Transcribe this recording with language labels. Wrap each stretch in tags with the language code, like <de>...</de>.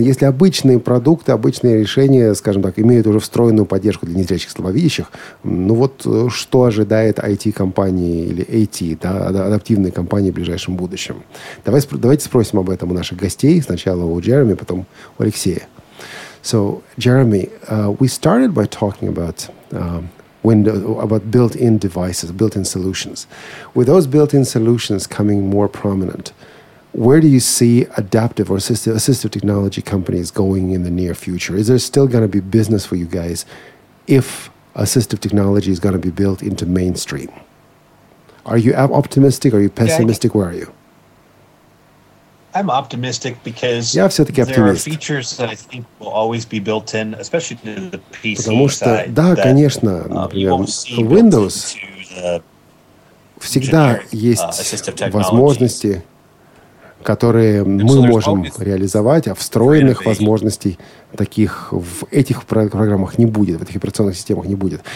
<ru>Если обычные продукты, обычные решения, скажем так, имеют уже встроенную поддержку для незрячих слабовидящих, ну вот что ожидает IT-компании или AT, да, адаптивные компании в ближайшем будущем? Давайте спросим об этом у наших гостей. Сначала у Джереми, потом у Алексея.</ru> <en>So, Jeremy, we started by talking about about built-in devices, built-in solutions. With those built-in solutions coming more prominent, where do you see adaptive or assistive technology companies going in the near future? Is there still going to be business for you guys if assistive technology is going to be built into mainstream? Are you optimistic? Are you pessimistic? Where are you? I'm optimistic because there are features that I think will always be built in, especially to the PC side.</en> <ru>Да, конечно, например, Windows всегда есть возможности, которые мы можем реализовать, а встроенных возможностей таких в этих программах не будет, в этих операционных системах не будет.</ru>